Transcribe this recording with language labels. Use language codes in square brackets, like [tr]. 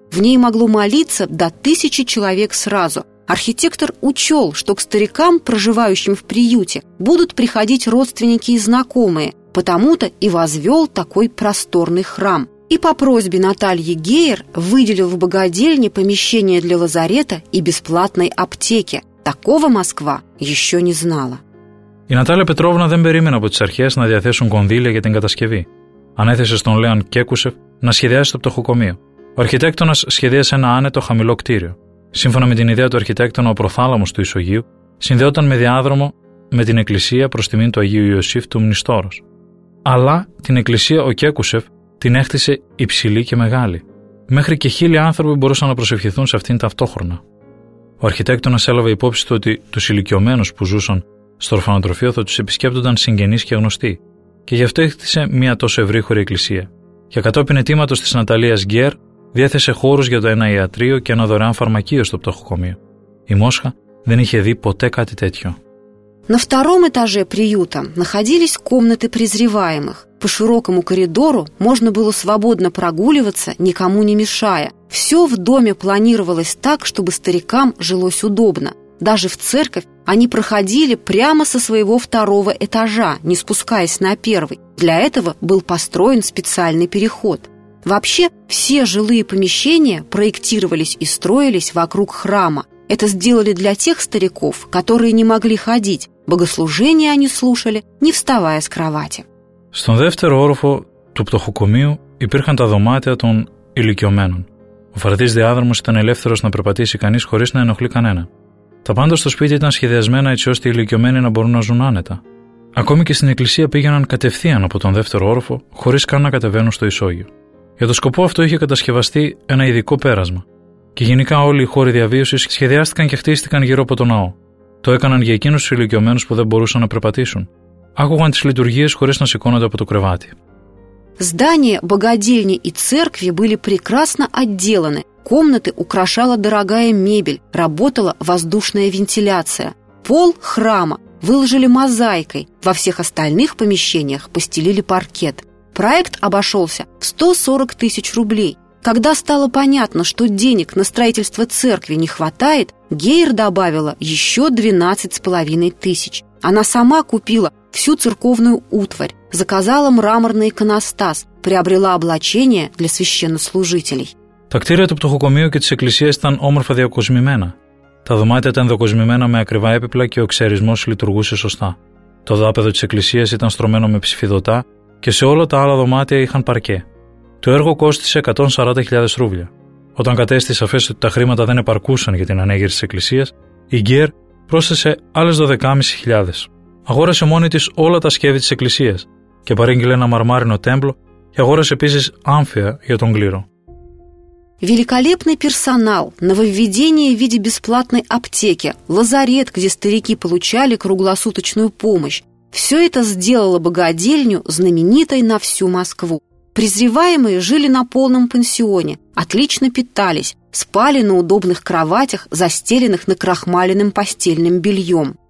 [ru] В ней могло молиться до 1000 человек сразу. Архитектор учел, что к старикам, проживающим в приюте, будут приходить родственники и знакомые, потому-то и возвел такой просторный храм. И по просьбе Натальи Гейер выделил в богадельне помещение для лазарета и бесплатной аптеки. Такого Москва еще не знала. [el] И Наталья Петровна δεν περίμενε από τις αρχές να διαθέσουν κονδύλια για την κατασκευή. Ανέθεσε στον Λέον Κέκουσεφ να σχεδιάσει το πτωχοκομείο. Ο αρχιτέκτονας σχεδίασε ένα άνετο χαμηλό κτίριο. Σύμφωνα με την ιδέα του αρχιτέκτονα, ο προθάλαμος του ισογείου συνδεόταν με διάδρομο με την εκκλησία προς τιμή του Αγίου Ιωσήφ του Μνηστόρος. Αλλά την εκκλησία ο Κέκουσεφ την έκτισε υψηλή και μεγάλη. Μέχρι και χίλιοι άνθρωποι μπορούσαν να προσευχηθούν σε αυτήν ταυτόχρονα. Ο αρχιτέκτονας έλαβε υπόψη του ότι τους ηλικιωμένους που ζούσαν στο ορφανοτροφείο θα τους επισκέπτονταν συγγενείς και γνωστοί. Και γι' αυτό έκτισε μια τόσο ευρύχωρη εκκλησία. Και κατόπιν αιτήματος της Ναταλίας Γκέερ, διέθεσε χώρους για το ένα ιατρείο και ένα δωρεάν φαρμακείο στο πτωχοκομείο. Η Μόσχα δεν είχε δει ποτέ κάτι τέτοιο. [ru] На втором этаже приюта находились комнаты презреваемых. По широкому коридору можно было свободно прогуливаться, никому не мешая. Все в доме планировалось так, чтобы старикам жилось удобно. Даже в церковь они проходили прямо со своего второго этажа, не спускаясь на первый. Для этого был построен специальный переход. Вообще, все жилые помещения проектировались и строились вокруг храма. Это сделали для тех стариков, которые не могли ходить. Богослужения они слушали, не вставая с кровати. [el] Στον δεύτερο όροφο του πτωχοκομείου υπήρχαν τα δωμάτια των ηλικιωμένων. Ο φαρδής διάδρομος ήταν ελεύθερος να περπατήσει κανείς χωρίς να ενοχλεί κανένα. Τα πάντα στο σπίτι ήταν σχεδιασμένα έτσι ώστε οι ηλικιωμένοι να μπορούν να ζουν άνετα. Ακόμη και στην εκκλησία πήγαιναν κατευθείαν από τον δεύτερο όροφο, χωρίς καν να κατεβαίνουν στο ισόγειο. Για το σκοπό αυτό είχε κατασκευαστεί ένα ειδικό πέρασμα. Και γενικά όλοι οι χώροι διαβίωσης σχεδιάστηκαν και χτίστηκαν γύρω από τον ναό. Το έκαναν για εκείνους τους ηλικιωμένους που δεν μπορούσαν να περπατήσουν. Άκουγαν τις λειτουργίες χωρίς να σηκώνονται από το κρεβάτι. [ru] Здания, богадельни и церкви были прекрасно отделаны. Комнаты украшала дорогая мебель, работала воздушная вентиляция. Пол храма выложили мозаикой, во всех остальных помещениях постелили паркет. Проект обошелся в 140 тысяч рублей. Когда стало понятно, что денег на строительство церкви не хватает, Гейр добавила еще 12,5 тысяч. Она сама купила всю церковную утварь, заказала мраморный иконостас, приобрела облачение для священнослужителей. [el] Τα κτίρια του πτωχοκομείου και της εκκλησίας ήταν όμορφα διακοσμημένα. Τα δωμάτια ήταν δοκοσμημένα με ακριβά έπιπλα και ο εξαιρισμός λειτουργούσε σωστά. Το δάπεδο της εκκλησίας ήταν στρωμένο με ψηφιδωτά και σε όλα τα άλλα δωμάτια είχαν παρκέ. Το έργο κόστισε 140.000 ρούβλια. Όταν κατέστη σαφές ότι τα χρήματα δεν επαρκούσαν για την ανέγερση της εκκλησίας, η Γκέρ πρόσθεσε άλλες 12.500. Αγόρασε μόνη της όλα τα σκεύη της εκκλησίας και παρήγγειλε ένα μαρμάρινο τέμπλο και αγόρασε επίσης άμφια για τον κλήρο. [ru] Великолепный персонал, нововведение в виде бесплатной аптеки, лазарет, где старики получали круглосуточную помощь. Все это сделало богадельню знаменитой на всю Москву. Презреваемые жили на полном пансионе, отлично питались, спали на удобных кроватях, застеленных накрахмаленным постельным бельем.